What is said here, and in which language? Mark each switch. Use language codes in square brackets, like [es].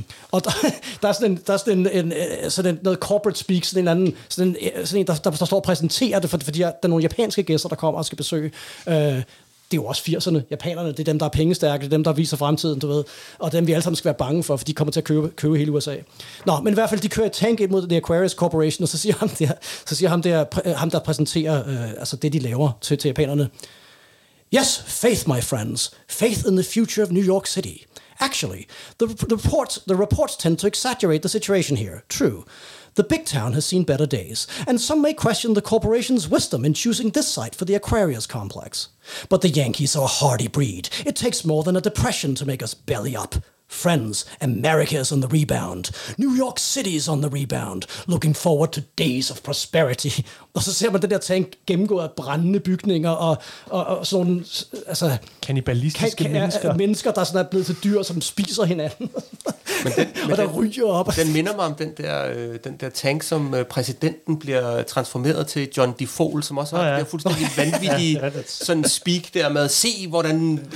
[da] Og der er sådan en noget corporate speak, sådan en eller anden, der står og præsenterer det, fordi der er nogle japanske gæster, der kommer og skal besøge. Det er jo også 80'erne. Japanerne, det er dem, der er pengestærke, det er dem, der viser fremtiden, du ved. Og dem, vi alle sammen skal være bange for de kommer til at købe hele USA. Nå, men i hvert fald, de kører et tank ind mod The Aquarius Corporation, og så siger ham der præsenterer altså det, de laver til japanerne. [en] Yes, faith, my friends. Faith in the future of New York City. Actually, the reports tend to exaggerate the situation here. True. The big town has seen better days, and some may question the corporation's wisdom in choosing this site for the Aquarius complex. But the Yankees are a hardy breed. It takes more than a depression to make us belly up. Friends, America is on the rebound. New York City's on the rebound. Looking forward to days of prosperity. [da] Og så ser man den der tank gennemgå af brændende bygninger og sådan, altså... Kannibalistiske mennesker. Mennesker, der sådan er blevet til dyr, som spiser hinanden. Men ryger op. Den minder mig om den der tank, som præsidenten bliver transformeret til John Defoe, som også har en fuldstændig vanvittig sådan speak der med at se, hvordan...